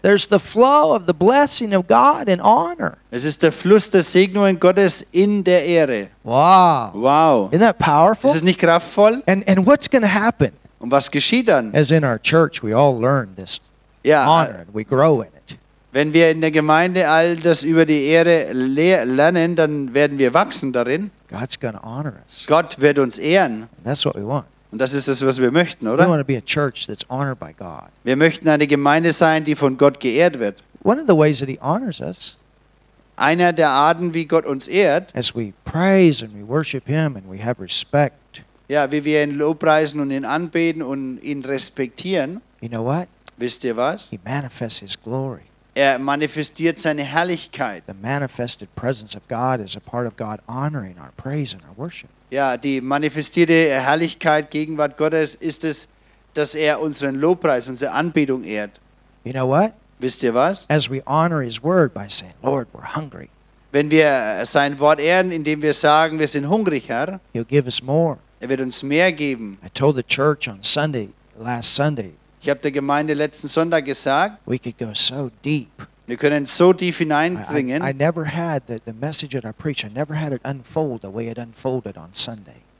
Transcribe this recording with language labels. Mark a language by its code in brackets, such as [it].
[en] There's the flow of the blessing of God in honor. [de] Es ist der Fluss der Segnungen Gottes in der Ehre. [en] Wow. [de] Wow. [en] Isn't that powerful? [de] Ist es nicht kraftvoll? [en] And what's going to happen? [de] Und was geschieht dann? [en] As in our church, we all learn this honor and we grow in it. [de] Wenn wir in der Gemeinde all das über die Ehre lernen, dann werden wir wachsen darin. [en] God's going to honor us. [de] Gott wird uns ehren. [en] And that's what we want. [de] Und das ist es, was wir möchten, oder? [en] We want to be a church that's honored by God. [de] Wir möchten eine Gemeinde sein, die von Gott geehrt wird. [en] One of the ways that he honors us, [de] einer der Arten, wie Gott uns ehrt, [en] as we praise and we worship him and we have respect. [de] Ja, wie wir ihn lobpreisen und ihn anbeten und ihn respektieren. [en] You know what? [de] Wisst ihr was? [en] He manifests his glory. [de] Er manifestiert seine Herrlichkeit. [en] The manifested presence of God is a part of God honoring our praise and our worship. [de] Ja, die manifestierte Herrlichkeit, Gegenwart Gottes, ist es, dass er unseren Lobpreis, unsere Anbetung ehrt. [en] You know what? [de] Wisst ihr was? [en] As we honor his word by saying, Lord, we're hungry. [de] Wenn wir sein Wort ehren, indem wir sagen, wir sind hungrig, Herr. [en] He'll give us more. [de] Er wird uns mehr geben. [en] I told the church on Sunday, last Sunday, [de] ich habe der Gemeinde letzten Sonntag gesagt, [en] we could go so deep. [de] Wir können so tief hineindringen. [en] I never had the message that I preached, I never had it unfold the way it unfolded on Sunday.